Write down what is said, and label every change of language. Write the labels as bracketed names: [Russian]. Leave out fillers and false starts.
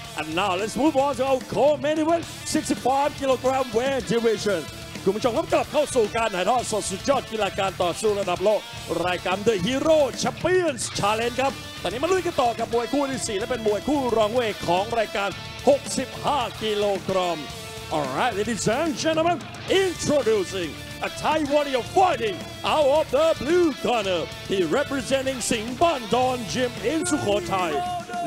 [English] And now let's move on to our co-main event, 65 kilogram weight division. [Thai] คุณผู้ชมครับกลับเข้าสู่การถ่ายทอดสดสุดยอดกีฬาการต่อสู้ระดับโลกรายการ The Hero Champion Challenge ครับตอนนี้มาลุยกันต่อกับมวยคู่ที่4และเป็นมวยคู่รองเวทของรายการ65กิโลกรัม [English] All right, ladies and gentlemen, introducingA Thai warrior fighting out of the blue corner. He representing Singh Bandon Gym in Sukhothai.